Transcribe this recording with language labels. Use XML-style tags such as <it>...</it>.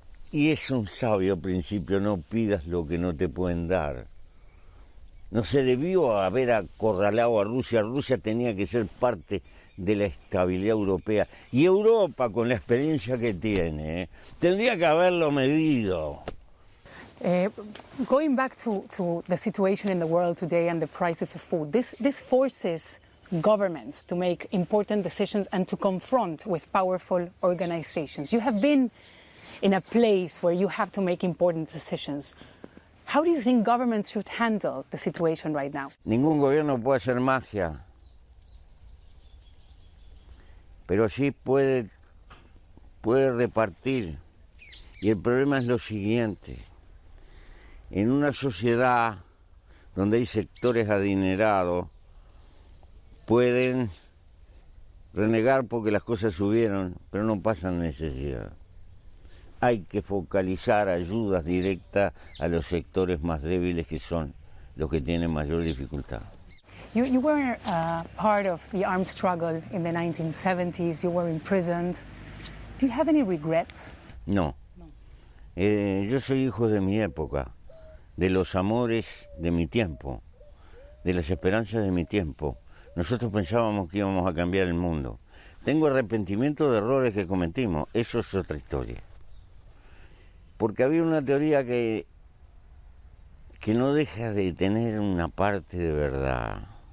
<es>Y es un sabio principio, no pidas lo que no te pueden dar. No se debió haber acorralado a Rusia. Rusia tenía que ser parte de la estabilidad europea. Y Europa, con la experiencia que tiene, tendría que haberlo medido.</es> <en>Going back to the situation in the world today and the prices of food, this forces governments to make important decisions and to confront with powerful organizations. You have been in a place where you have to make important decisions. How do you think governments should handle the situation right now?</en> <es>Ningún gobierno puede hacer magia, pero sí puede repartir. Y el problema es lo siguiente. En una sociedad donde hay sectores adinerados, pueden renegar porque las cosas subieron, pero no pasan necesidad. Hay que focalizar ayudas directas a los sectores más débiles, que son los que tienen mayor dificultad.</es> <en>You were part of the armed struggle in the 1970s. You were imprisoned. Do you have any regrets?</en> <es>No. Yo soy hijo de mi época, de los amores de mi tiempo, de las esperanzas de mi tiempo. Nosotros pensábamos que íbamos a cambiar el mundo. Tengo arrepentimiento de errores que cometimos. Eso es otra historia. Porque había una teoría que no deja de tener una parte de verdad.</es>